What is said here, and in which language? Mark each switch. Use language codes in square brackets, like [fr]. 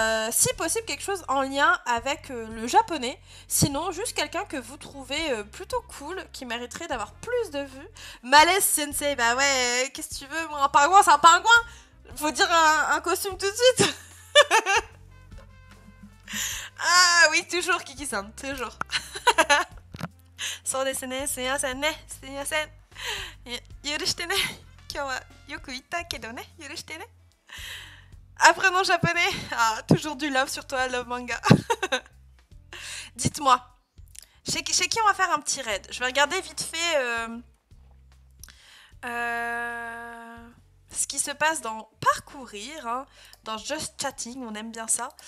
[fr] Si possible, quelque chose en lien avec le japonais. Sinon, juste quelqu'un que vous trouvez plutôt cool, qui mériterait d'avoir plus de vues. Malaise Sensei, bah ouais, qu'est-ce que tu veux? Moi, un pingouin, c'est un pingouin! Faut dire un costume tout de suite! Ah oui, toujours Kiki-san, toujours! [ja] そうですね、すみませんね、すみません。許してね、今日はよく言ったけどね、許してね。 [fr] Apprenons japonais! Ah, toujours du love sur toi, love manga! Dites-moi, chez qui on va faire un petit raid? Je vais regarder vite fait ce qui se passe dans Parcourir, hein, dans Just Chatting, on aime bien ça.